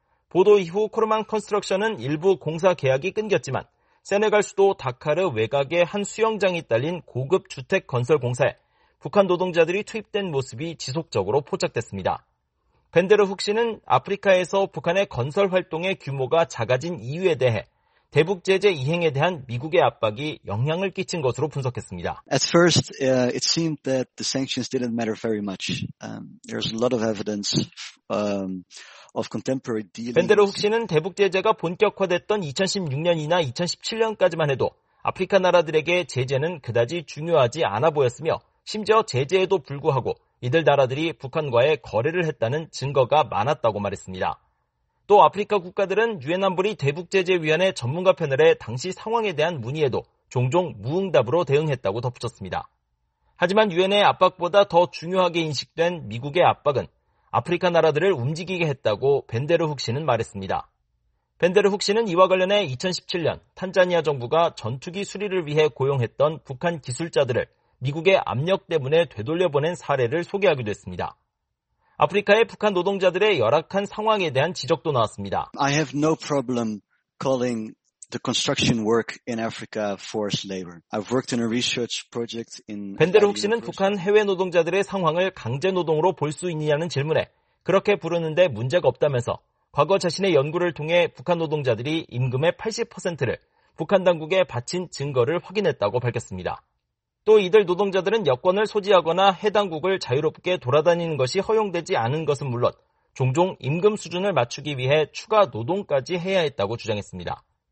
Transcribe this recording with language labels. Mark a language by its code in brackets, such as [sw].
[ko] 보도 이후 코르만 컨스트럭션은 일부 공사 계약이 끊겼지만 세네갈 수도 다카르 외곽의 한 수영장이 딸린 고급 주택 건설 공사에 북한 노동자들이 투입된 모습이 지속적으로 포착됐습니다. 벤데르훅 씨는 아프리카에서 북한의 건설 활동의 규모가 작아진 이유에 대해 대북 제재 이행에 대한 미국의 압박이 영향을 끼친 것으로 분석했습니다. [en] At first, it seemed that the sanctions didn't matter very much. There's a lot of evidence of contemporary dealings. [ko] 벤데르훅 씨는 대북 제재가 본격화됐던 2016년이나 2017년까지만 해도 아프리카 나라들에게 제재는 그다지 중요하지 않아 보였으며 심지어 제재에도 불구하고 이들 나라들이 북한과의 거래를 했다는 증거가 많았다고 말했습니다. 또 아프리카 국가들은 유엔 안보리 대북제재위원회 전문가 패널의 당시 상황에 대한 문의에도 종종 무응답으로 대응했다고 덧붙였습니다. 하지만 유엔의 압박보다 더 중요하게 인식된 미국의 압박은 아프리카 나라들을 움직이게 했다고 벤데르훅 씨는 말했습니다. 벤데르훅 씨는 이와 관련해 2017년 탄자니아 정부가 전투기 수리를 위해 고용했던 북한 기술자들을 미국의 압력 때문에 되돌려보낸 사례를 소개하기도 했습니다. 아프리카의 북한 노동자들의 열악한 상황에 대한 지적도 나왔습니다. [en] I have no problem calling the construction work in Africa forced labor. I've worked in a research project in [ko] 벤데르훅 씨는 북한 해외 노동자들의 상황을 강제 노동으로 볼 수 있느냐는 질문에 그렇게 부르는데 문제가 없다면서 과거 자신의 연구를 통해 북한 노동자들이 임금의 80%를 북한 당국에 바친 증거를 확인했다고 밝혔습니다. 또 이들 노동자들은 여권을 소지하거나 해당국을 자유롭게 돌아다니는 것이 허용되지 않은 것은 물론 종종 임금 수준을 맞추기 위해 추가 노동까지 해야 했다고 주장했습니다.